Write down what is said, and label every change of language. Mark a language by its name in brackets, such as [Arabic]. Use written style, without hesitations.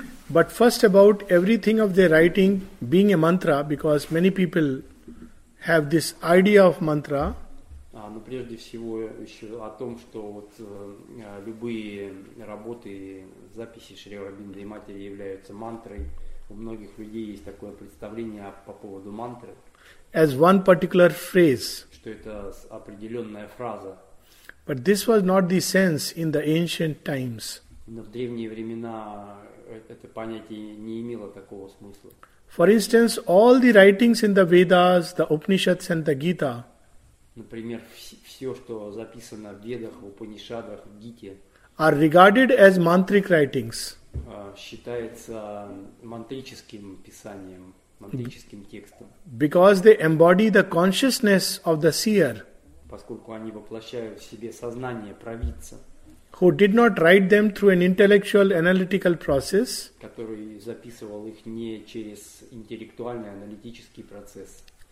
[English] But first about everything of their writing being a mantra, because many people have this idea of mantra. [Russian] Но прежде всего еще о том, что вот любые работы, записи Шри Аурабинда и матери являются мантрой. У многих людей есть такое представление по поводу мантры. [English] As one particular phrase. [Russian] Что это определенная фраза. [English] But this was not the sense in the ancient times. [Russian] Но в древние времена это понятие не имело такого смысла. [English] For instance, all the writings in the Vedas, the Upanishads and the Gita. [Russian] Например, все, что записано в Ведах, в Упанишадах, в Гите. [English] Are regarded as mantric writings. [Russian] Считается мантрическим писанием. Мантрическим текстом. [English] Because they embody the consciousness of the seer. [Russian] Поскольку они воплощают в себе сознание провидца. [English] Who did not write them through an intellectual analytical process. [Russian] Который записывал их не через интеллектуальный аналитический процесс.